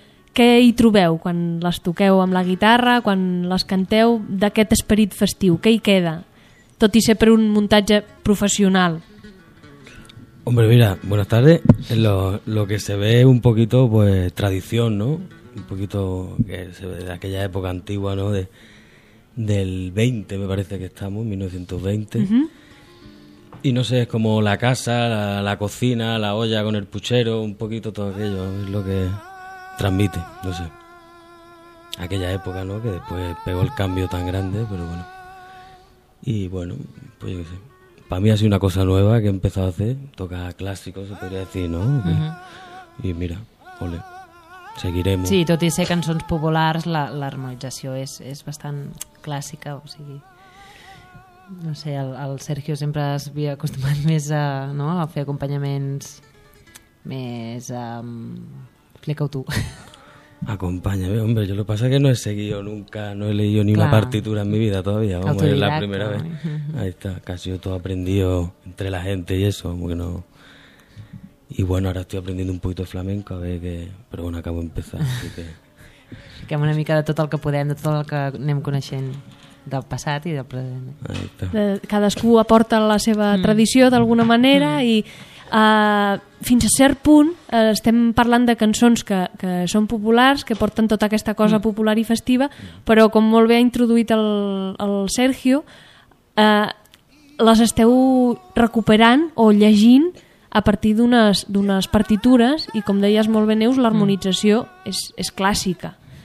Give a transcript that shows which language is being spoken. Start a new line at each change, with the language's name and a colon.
Catalan: Què hi trobeu quan les toqueu amb la guitarra, quan les canteu, d'aquest esperit festiu? Què hi queda, tot i ser per un muntatge professional?
Spanish: Hombre, mira, buenas tardes. Lo que se ve un poquito, pues, tradición, ¿no? Un poquito que se ve de aquella época antigua, ¿no? Del 20, me parece que estamos, 1920. Y no sé, es como la casa, la cocina, la olla con el puchero, un poquito todo aquello, es lo que... transmite, no sé. aquella época, ¿no? Que después pegó el cambio tan grande, pero bueno. Y bueno, pues yo qué sé. Para mí ha sido una cosa nueva que he empezado a hacer. Toca clásicos, se podría decir, ¿no? Uh-huh. Y mira, ole, seguiremos.
Catalan: Sí, tot i ser cançons populars, l'harmonització és bastant clàssica, o sigui... No sé, el Sergio sempre s'havia acostumat més a, no, a fer acompanyaments més... Explica-ho tu.
Spanish: Acompáñame, hombre, yo lo que pasa es que no he seguido nunca, no he leído ni una partitura en mi vida todavía, vamos, es la primera vez. Ahí está, casi yo todo aprendido entre la gente y eso, como que no. Y bueno, ahora estoy aprendiendo un poquito de flamenco, a ver que, pero bueno, acabo de empezar, así que.
Catalan: Fiquem una mica de tot el que podem, de tot el que anem coneixent del passat i del present.
Spanish: Ahí está.
Catalan: Cadascú aporta la seva tradició d'alguna manera i fins a cert punt estem parlant de cançons que són populars, que porten tota aquesta cosa popular i festiva, però com molt bé ha introduït el Sergio, les esteu recuperant o llegint a partir d'unes partitures i, com deies molt bé, Neus, l'harmonització és clàssica.